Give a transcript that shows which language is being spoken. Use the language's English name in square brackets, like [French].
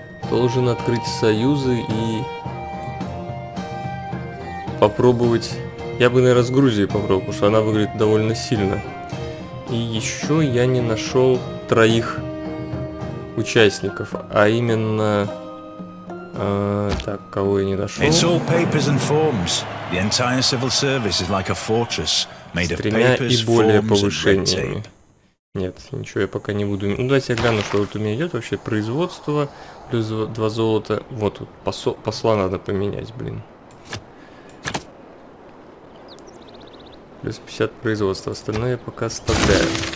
[Russian] Должен открыть союзы и попробовать. Я бы, наверное, с Грузией попробовал, потому что она выглядит довольно сильно. И еще я не нашел троих участников, а именно... так, кого я не нашел? [English] It's all papers and forms. The entire civil service is like a fortress. [Russian] С тремя и более повышениями. Нет, ничего я пока не буду. Ну, давайте я гляну, что тут у меня идет вообще. Производство, плюс 2 золота. Вот тут, посла надо поменять, блин. Плюс 50 производства. Остальное я пока оставляю.